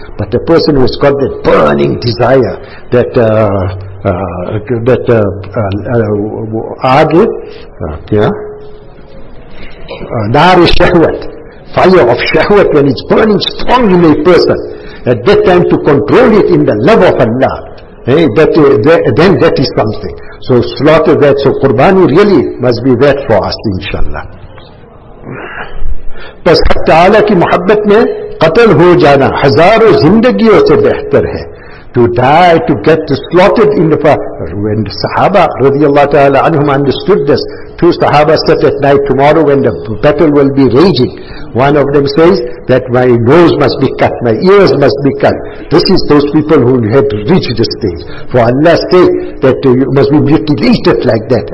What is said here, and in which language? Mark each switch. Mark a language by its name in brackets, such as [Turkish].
[English] But a person who has got that burning desire, nari shahwat, fire of shahwat, when it's burning strong in a person, at that time to control it in the love of Allah, then that is something. So slaughter that, so qurbani really must be that for us, inshallah. [Urdu] بس حق تعالیٰ کی محبت میں قتل ہو جانا ہزاروں زندگیوں سے بہتر ہے. [English] To die, to get slaughtered in the fire. When the Sahaba رضی اللہ تعالی عنہم understood this, two Sahaba said at night, tomorrow when the battle will be raging, one of them says that my nose must be cut, my ears must be cut. This is those people who had reached this stage. For Allah's sake, that you must be mutilated like that.